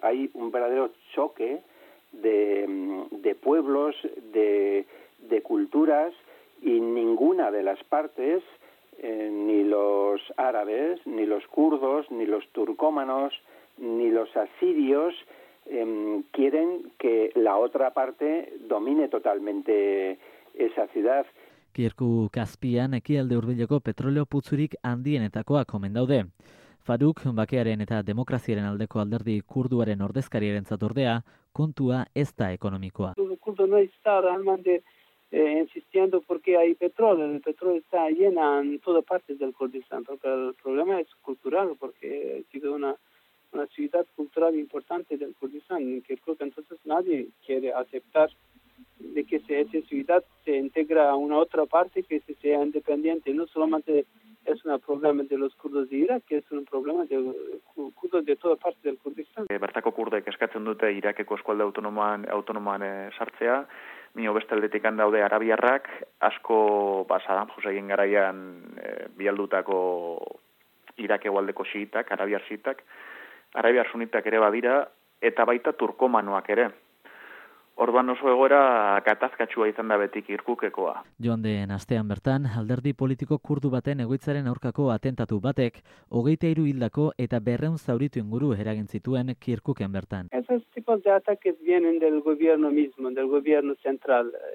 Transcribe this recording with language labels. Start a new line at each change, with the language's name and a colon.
Spanish: Hay un verdadero choque de pueblos, de culturas, y ninguna de las partes, ni los árabes, ni los kurdos, ni los turcómanos, ni los asirios, quieren que la otra parte domine totalmente esa ciudad.
Basque: Kirkuk azpian ekialde hurbileko petroleo putzurik handienetakoak omen daude. Faruk, bakearen eta demokraziaren aldeko alderdi kurduaren ordezkariaren zatordea, kontua ez da ekonomikoa.
Spanish: Kurdo no está realmente insistiendo porque hay petróleo. El petróleo está llena en todas partes del Kurdistán. Porque el problema es cultural, porque ha sido una ciudad cultural importante del Kurdistán. Entonces nadie quiere aceptar de que esa ciudad se integra a una otra parte, que sea independiente. No solamente es un problema de los kurdos de Irak, es un problema de kurdos de toda parte del Kurdistán.
Basque: Bertako kurdek eskatzen dute Irakeko eskualde autonomoan sartzea, mino beste aldetik daude arabiarrak, asko Saddam Husseinen garaian bialdutako Irakeko aldeko xiitak, arabiar xiitak, arabiar sunitak ere badira, eta baita turkomanoak ere. Orduan oso egoera gatazkatsua izan da betik Irkukekoa. Joan den astean bertan, alderdi politiko kurdu baten egoitzaren aurkako atentatu batek, 23 hildako eta 200 zauritu inguru eragin zituen Kirkuken bertan.
Spanish: Esos tipos de ataques vienen del gobierno mismo, del gobierno central.